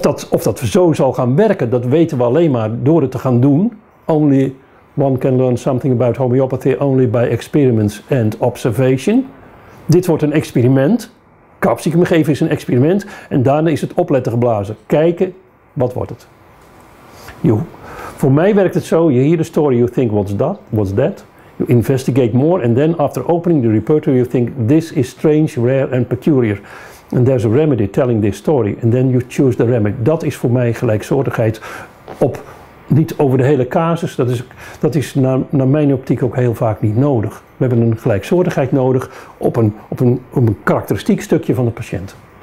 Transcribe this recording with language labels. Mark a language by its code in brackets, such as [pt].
[nl] Of dat zo zal gaan werken, dat weten we alleen maar door het te gaan doen. [en] Only one can learn something about homeopathy only by experiments and observation. [nl] Dit wordt een experiment. Capsicum geven is een experiment. En daarna is het opletten geblazen. Kijken, wat wordt het? Yo. Voor mij werkt het zo, [en] you hear the story, you think, what's that? You investigate more and then after opening the repertoire you think, this is strange, rare and peculiar. And there's a remedy telling this story. And then you choose the remedy. [nl] Dat is voor mij gelijksoortigheid. Op, niet over de hele casus. Dat is naar mijn optiek ook heel vaak niet nodig. We hebben een gelijksoortigheid nodig op een karakteristiek stukje van de patiënt.